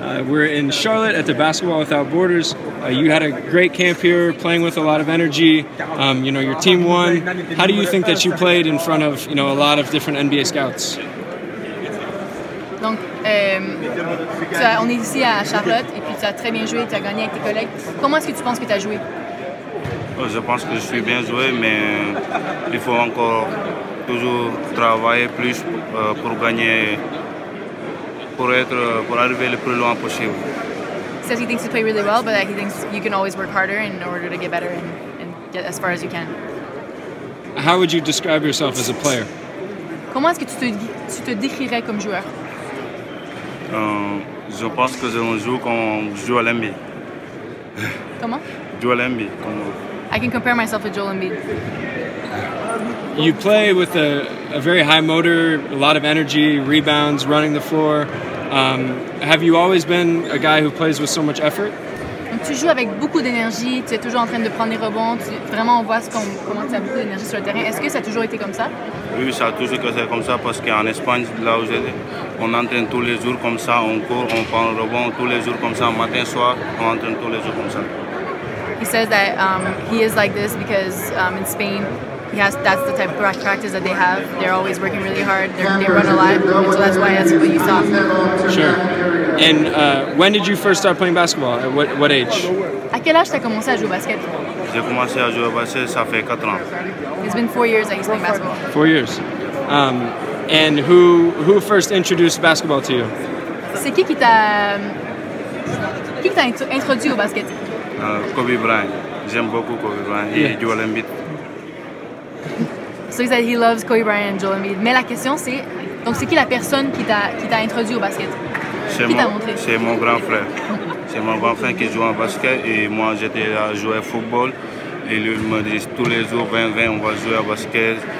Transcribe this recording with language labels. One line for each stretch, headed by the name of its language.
English: We're in Charlotte at the Basketball Without Borders. You had a great camp here, playing with a lot of energy. You know, your team won. How do you think that you played in front of, you know, a lot of different NBA scouts?
French: Donc, on est ici à Charlotte, et puis tu as très bien joué, tu as gagné avec tes collègues. Comment est-ce que tu penses que tu as joué? Je pense que je suis bien joué, mais il faut encore toujours travailler plus pour gagner, pour arriver le plus loin possible.
English: He says he thinks you play really well, but that he thinks you can always work harder in order to get better and get as far as you can. How would you describe yourself as a player?
French: Comment est-ce que tu te décrirais comme joueur? Je pense que je joue comme joue à l'NBA. Comment? Joue à l'NBA. Comme...
English: I can compare myself to Joel Embiid. You play with a very high motor, a lot of energy, rebounds, running the floor. Have you always been a guy who plays with so much effort?
French: Donc, tu joues avec beaucoup d'énergie, tu es toujours en train de prendre les rebonds. Vraiment, on voit comment tu as beaucoup d'énergie sur le terrain. Est-ce que ça a toujours été comme ça? Oui, ça a toujours été comme ça parce qu'en Espagne, là où j'étais, on entraîne tous les jours comme ça, on court, on prend le rebond tous les jours comme ça, matin, soir, on entraîne tous les jours comme ça.
English: He says that he is like this because in Spain, that's the type of practice that they have. They're always working really hard. They run a lot, and so that's why that's what you saw. Sure. And when did you first start playing basketball? At what age?
French: À quel âge t'as commencé à jouer au basket? J'ai commencé à jouer au basket, ça fait 4 ans.
English: It's been 4 years that he's playing basketball. 4 years. And who first introduced basketball to you?
French: C'est qui t'a introduit au basket? Kobe Bryant. J'aime beaucoup Kobe Bryant et Joel Embiid.
English: So he said he loves Kobe Bryant and Joel Embiid.
French: Mais la question c'est, donc c'est qui la personne qui t'a introduit au basket? C'est mon grand frère. C'est mon grand frère qui joue en basket et moi j'étais à jouer au football. Et lui me dit tous les jours, viens, on va jouer au basket.